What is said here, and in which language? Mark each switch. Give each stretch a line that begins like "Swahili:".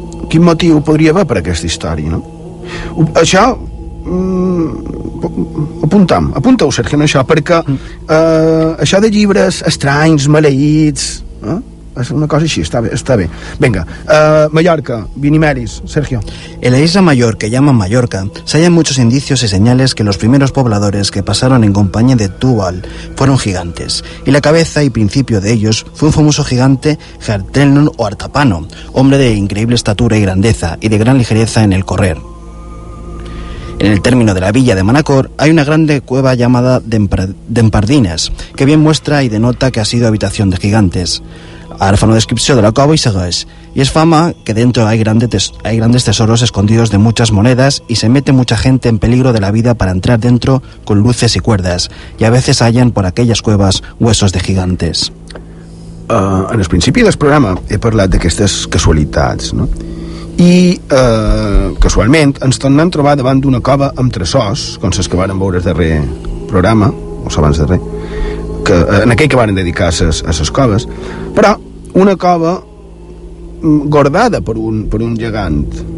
Catalan: Quin motiu podria haver per aquesta història, no? Això... apuntau, Sergio, no, això, perquè això de llibres estranys, maleïts... És una cosa així, està bé. Vinga, Mallorca, Vinimelis, Sergio.
Spanish: En la isla mayor que llaman Mallorca, se hallan muchos indicios y señales que los primeros pobladores que pasaron en compañía de Túbal fueron gigantes, y la cabeza y principio de ellos fue un famoso gigante Hertelnon o Artapano, hombre de increíble estatura y grandeza y de gran ligereza en el correr. En el término de la villa de Manacor hay una grande cueva llamada Dempardines, que bien muestra y denota que ha sido habitación de gigantes.
Catalan: Ara fa una descripció de la cova i segueix.
Spanish: I es fama que dentro hay grandes tesoros escondidos de muchas monedas y se mete mucha gente en peligro de la vida para entrar dentro con luces y cuerdas. Y a veces hallan por aquellas cuevas huesos de gigantes.
Catalan: En el principi del programa he parlat d'aquestes casualitats, no? I, casualment, ens tornem a trobar davant d'una cova amb tresors, com les que vàrem veure el darrer programa, o abans darrer, que, en aquell que varen dedicar a les coves, però una cova guardada per un gegant.